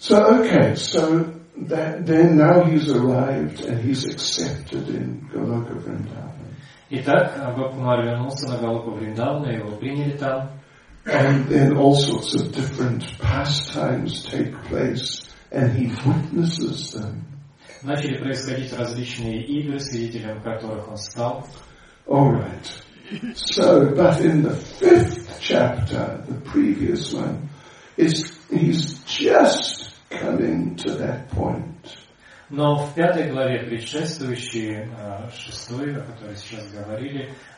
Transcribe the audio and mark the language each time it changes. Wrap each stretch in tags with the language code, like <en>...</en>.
<en>Now he's arrived and he's accepted in Goloka Vrindavan.</en> <ru>Итак, Гопакумар вернулся на Голоку Вриндаван, и его приняли там.</ru> <en>And then all sorts of different pastimes take place, and he witnesses them.</en> <ru>Начали происходить различные игры, свидетелем которых он стал.</ru> <en>All right. So, but in the fifth chapter, the previous one, he's just coming to that point.</en> <ru>Но в пятой главе предшествующей, шестой, о которой сейчас говорили,</ru>